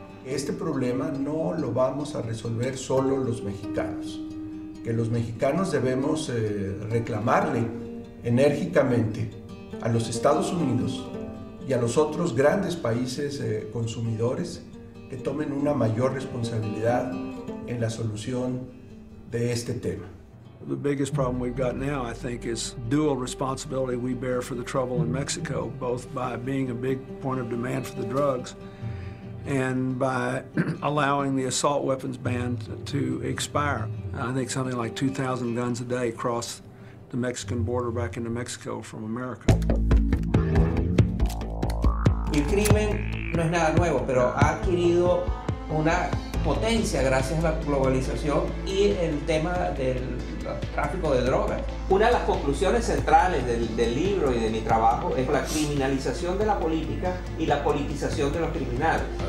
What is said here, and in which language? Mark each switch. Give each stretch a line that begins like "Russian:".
Spanish: Este problema no lo vamos a resolver solo los mexicanos, que los mexicanos debemos reclamarle enérgicamente a los Estados Unidos y a los otros grandes países consumidores que tomen una mayor responsabilidad en la solución de este tema.
English: The biggest problem we've got now, I think, is dual responsibility we bear for the trouble in Mexico, both by being a big point of demand for the drugs and by allowing the assault weapons ban to expire. I think something like 2,000 guns a day cross the Mexican border back into Mexico from America.
Spanish: El crimen no es nada nuevo, pero ha adquirido una potencia gracias a la globalización y el tema del tráfico de drogas. Una de las conclusiones centrales del libro y de mi trabajo es la criminalización de la política y la politización de los criminales.